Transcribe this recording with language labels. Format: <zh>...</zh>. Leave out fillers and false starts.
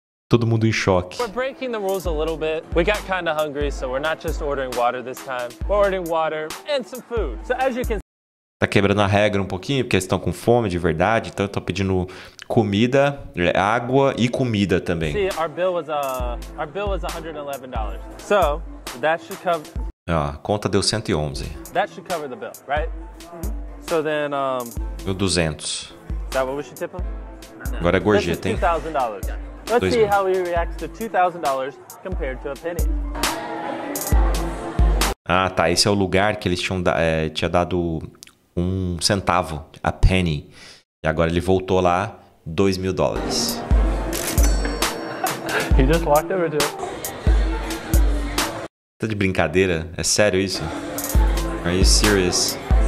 <pt>Todo mundo em choque.</pt> <en>We're breaking the rules a little bit. We got kind of hungry, so we're not just ordering water this time. We're ordering water and some food. So as you can</en> <pt>Tá quebrando a regra um pouquinho, porque eles estão com fome de verdade, então eu tô pedindo comida, água e comida também.</pt> <en>See, our bill was $111. So, that should cover</en> <pt>Ó, conta deu 111.</pt> <en>That should cover the bill, right? Mm-hmm. So then</en> <pt>Deu 200.</pt> <en>Is that what we should tip them?</en> <pt>No. Agora é gorjeta, hein?</pt> <en>$2000. Let's see how he reacts to $2,000 compared to a penny.</en> <pt>Ah, tá. Esse é o lugar que eles tinham tinha dado um centavo,</pt> <en>a penny.</en> <pt>E agora ele voltou lá, $2,000.</pt> <en>He just walked over to it.</en> <pt>Tá de brincadeira? É sério isso?</pt> <en>Are you serious?</en>